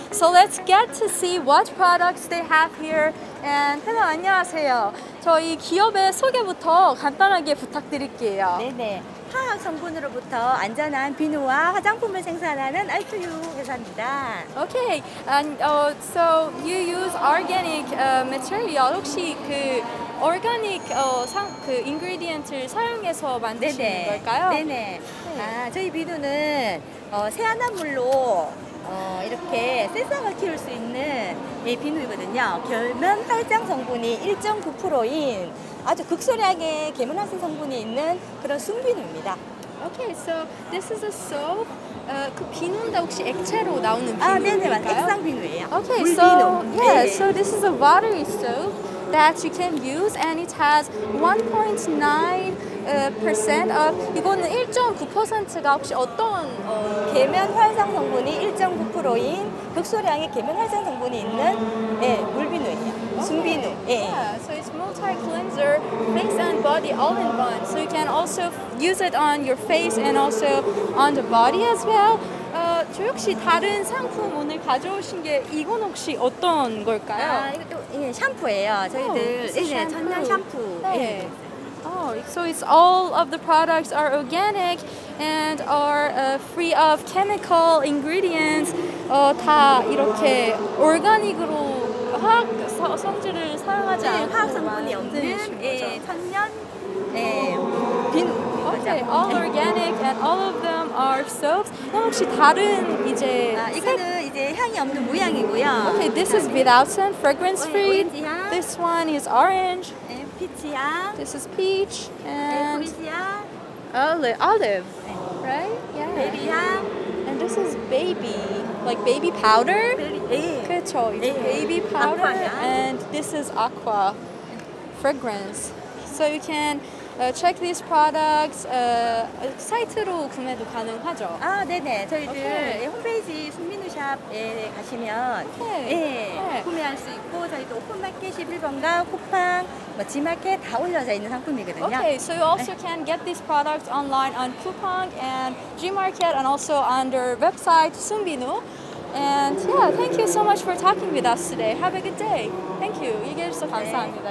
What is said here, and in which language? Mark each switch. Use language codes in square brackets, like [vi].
[en] So let's get to see what products they have here. [ko] And 태나 안녕하세요. 저희 기업의 소개부터 간단하게 부탁드릴게요. 네네. 화학성분으로부터 안전한 비누와 화장품을 생산하는 알투유 회사입니다. [en] Okay, and so you use organic material. [ko] 혹시 그 organic 그 ingredient을 사용해서 만드시는 네네. 걸까요? 네네. 아, 저희 비누는 세안물로 이렇게 세상을 키울 수 있는 이 비누이거든요. 결면 활장 성분이 1.9%인 아주 극소량의 계문화성 성분이 있는 그런 순비누입니다. [en] Okay, so this is a soap. [ko] 그 비누인데 혹시 액체로 나오는 비누인가요? 아, 네네, 맞아요. 액상 비누예요. [en] Okay, 물비누. Yeah, so this is a watery soap that you can use, and it has 1.9% of [ko] 이거는 1.9%가 혹시 어떤 계면 활성 성분이 1.9%인 극소량의 계면 활성 성분이 있는 예 물비누예요. [en] Okay. [ko] 순비누. 예. [en] Yeah, so it's multi cleanser, face and body all in one. So you can also use it on your face and also on the body as well. [ko] 저 역시 다른 상품 오늘 가져오신 게 이건 혹시 어떤 걸까요? 아, 이거 예, 샴푸예요. 저희들 예, 천연 샴푸. 네. 예. [en] Oh, so it's all of the products are organic and are free of chemical ingredients. [ko] 다 이렇게 organic으로 화학 성질을 사용하지 않고 화학 성분이 없는 예, 천연 예, 비누. [en] Okay, all organic and all of them are soaps. [ko] 그럼 혹시 다른 이제 이거는 이제 향이 없는 모양이고요. [en] Okay, this is without scent, fragrance free. [ko] 네, 오렌지 향. [en] This one is orange. [ko] 네, 피치 향. [en] This is peach. And [ko] 네, 오렌지 향. [en] Olive. 네. Right? [ko] Yeah. 베이비 향. [en] And this is baby. Like baby powder? [ko] 네. 그쵸, 이제 네. baby powder. 아쿠아 향. [en] And this is aqua fragrance. So you can check these products [ko] 사이트로 구매도 가능하죠? 아, 네네. 저희들 okay. 홈페이지 순비누샵에 가시면 okay. 예, okay. 구매할 수 있고 저희도 오픈마켓 11번가 쿠팡, 뭐, G마켓 다 올려져 있는 상품이거든요. [en] Okay, so you also can get these products online on Coupang and G마켓 and also on their website 순비누. And yeah, thank you so much for talking with us today. Have a good day. Thank you. [ko] 얘기해주셔서 감사합니다.